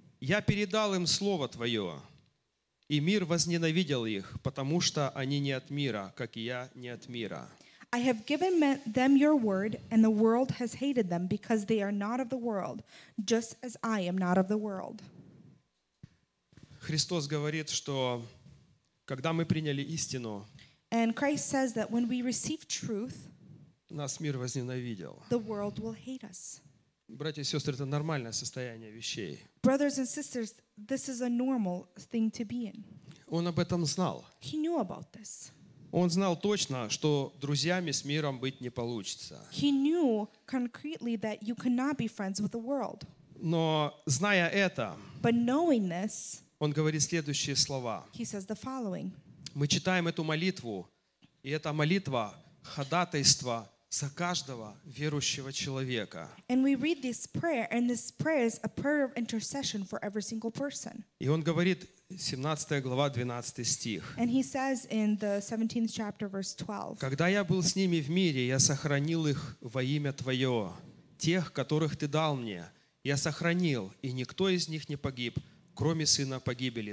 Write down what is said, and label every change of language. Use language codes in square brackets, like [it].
[ru] Я передал им слово твое, и мир возненавидел их, потому что они не от мира, как и я не от мира. [en] I have given them your word, and the world has hated them, because they are not of the world, just as I am not of the world. [ru] Христос говорит, что когда мы приняли истину, [en] and Christ says that when we receive truth, [ru] нас мир возненавидел. [en] The world will hate us. [ru] Братья и сестры, это нормальное состояние вещей. [en] Brothers and sisters, this is a normal thing to be in. [ru] Он об этом знал. [en] He knew about this. [ru] Он знал точно, что друзьями с миром быть не получится. [en] He knew concretely that you cannot be friends with the world. [ru] Но зная это, [en] but knowing this, [ru] он говорит следующие слова. [en] He says the following. [ru] Мы читаем эту молитву, и эта молитва ходатайство за каждого верующего человека. [en] And we read this prayer, and this prayer is a prayer of intercession for every single person. [ru] И он говорит, 17 глава, 12 стих. [en] And he says in the 17th chapter, verse 12. [ru] Когда я был с ними в мире, я сохранил их во имя Твое. Тех, которых Ты дал мне, я сохранил, и никто из них не погиб, кроме сына погибели.